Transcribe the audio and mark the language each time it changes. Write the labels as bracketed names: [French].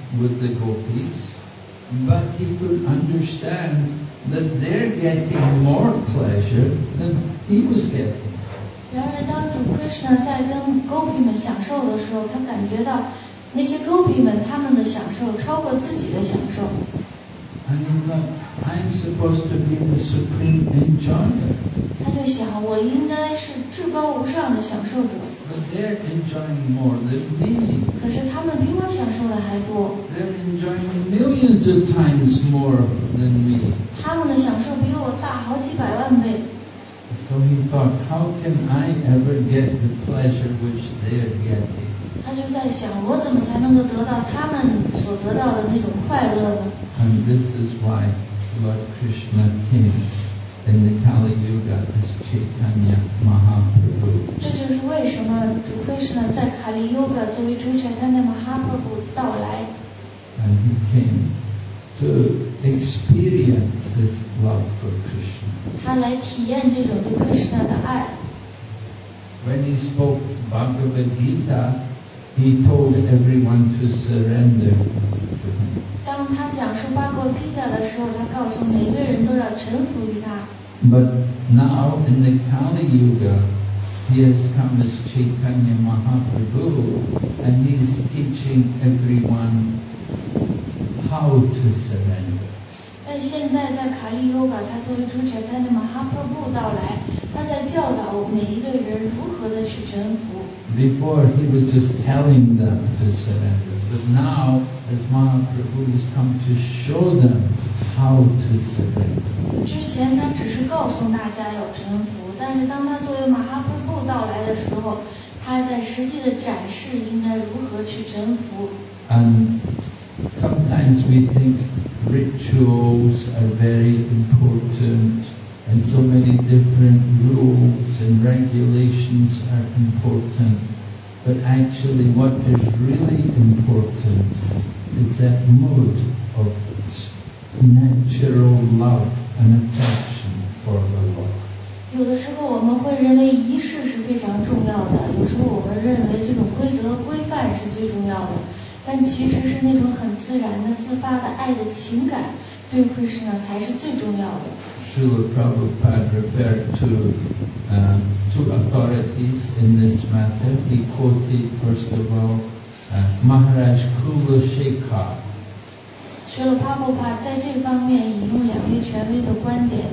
[English] with the gopis, but he could understand that they're getting more pleasure than he was getting. [Chinese] 然而当主 Krishna 在跟 gopi 们享受的时候，他感觉到那些 gopi 们他们的享受超过自己的享受。 [English] And he thought, I'm supposed to be the supreme enjoyer. [Chinese] 他就想，我应该是至高无上的享受者。 [English] But they're enjoying more than me. [Chinese] 可是他们比我享受的还多。 [English] They're enjoying millions of times more than me. [Chinese] 他们的享受比我大好几百万倍。 [English] So he thought, how can I ever get the pleasure which they're getting? [Chinese] 他就在想，我怎么才能够得到他们所得到的那种快乐呢？ [English] And this is why Lord Krishna came in the Kali Yuga as Chaitanya Mahaprabhu. [Chinese] 这就是为什么主 Krishna 在 Kali Yuga 作为主 Chaitanya Mahaprabhu 到来。 [English] And he came to experience this love for Krishna. [Chinese] 他来体验这种对 Krishna 的爱。 [English] When he spoke Bhagavad Gita, he told everyone to surrender. [Chinese] 当他讲述巴格毕达的时候，他告诉每个人都要臣服于他。 [English] But now in the Kali Yuga, he has come as Chaitanya Mahaprabhu, and he is teaching everyone how to surrender. [Chinese] 但现在在卡利瑜伽，他作为主 Chaitanya Mahaprabhu 到来，他在教导每一个人如何的去臣服。 [English] Before he was just telling them to surrender, but now. As Mahaprabhu has come to show them how to surrender. [Chinese] 之前他只是告诉大家要臣服，但是当他作为马哈普布到来的时候，他在实际的展示应该如何去臣服。 [English] And sometimes we think rituals are very important, and so many different rules and regulations are important. But actually, what is really important? It's that mode of natural love and affection for the Lord. [Chinese] 有的时候我们会认为仪式是非常重要的，有时候我们认为这种规则规范是最重要的，但其实是那种很自然的自发的爱的情感对 Krishna 才是最重要的。 [English] Srila Prabhupada referred to two authorities in this matter. He quoted first of all. Maharaj Kula Shekhar. [Chinese] Srila Prabhupada 在这方面引用两位权威的观点。